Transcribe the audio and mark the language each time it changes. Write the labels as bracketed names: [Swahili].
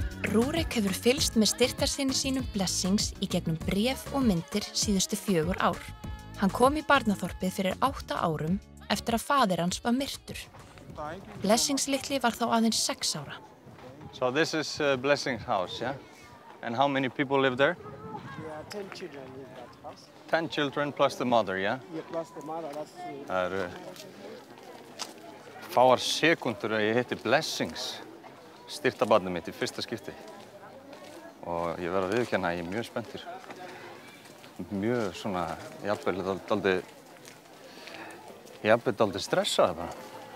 [Icelandic] Rúrik hefur fylgst með styrktarsyni sínum Blessings í gegnum bréf og myndir síðustu 4 ár. Hann kom í barnaþorpið fyrir 8 árum eftir að faðir hans var myrtur. Blessings litli var þá aðeins 6 ára. [English] So this is Blessings house, yeah? And how many people live there? Yeah, 10 children live that house. 10 children plus the mother, yeah? Yeah, plus the mother, that's... [Icelandic] Það eru fáar sekundur að ég hitti Blessings, styrktarbarnið mitt í fyrsta skipti. Og ég verð að viðurkenna að ég mjög spenntur. Mjög svona, jafnvel daldi stressaði bara.